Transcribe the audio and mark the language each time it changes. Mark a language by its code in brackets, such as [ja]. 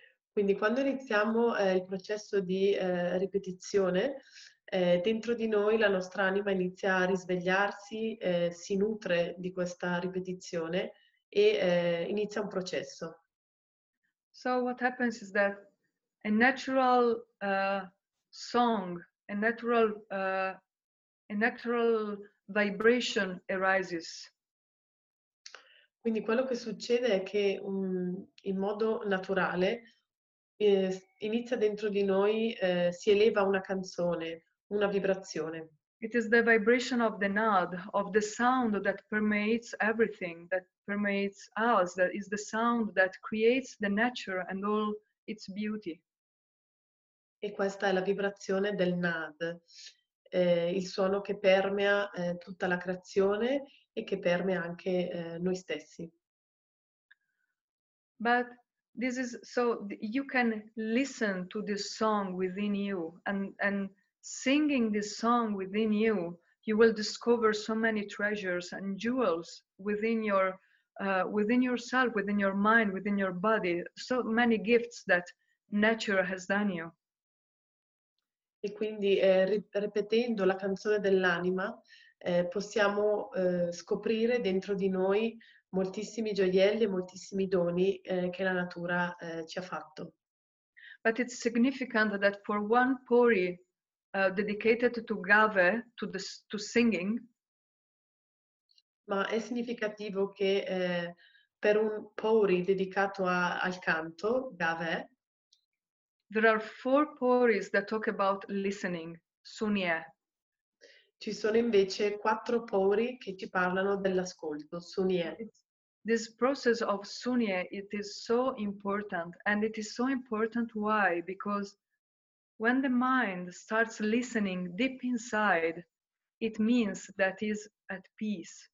[it] Quindi quando iniziamo il processo di ripetizione, dentro di noi la nostra anima inizia a risvegliarsi, si nutre di questa ripetizione e inizia un processo. [en] So what happens is that a natural song, a natural vibration arises. [it] Quindi quello che succede è che in modo naturale inizia dentro di noi, si eleva una canzone. Una vibrazione. [en] It is the vibration of the nad, of the sound that permeates everything, that permeates us, that is the sound that creates the nature and all its beauty. [it] E questa è la vibrazione del nad, il suono che permea tutta la creazione e che permea anche noi stessi. [en] But this is so you can listen to this song within you and singing this song within you, you will discover so many treasures and jewels within yourself, within your mind, within your body, so many gifts that nature has done you. [it] E quindi ripetendo la canzone dell'anima, possiamo scoprire dentro di noi moltissimi gioielli e moltissimi doni che la natura ci ha fatto. [en] But it's significant that for one puri dedicated to gave, to singing. [it] Ma è significativo che per un puri dedicato al canto, gave, [en] there are four puris that talk about listening, sunye. [it] Ci sono invece quattro puri che ci parlano dell'ascolto, sunye. [en] This process of sunye, it is so important, and it is so important why? Because when the mind starts listening deep inside, it means that is at peace.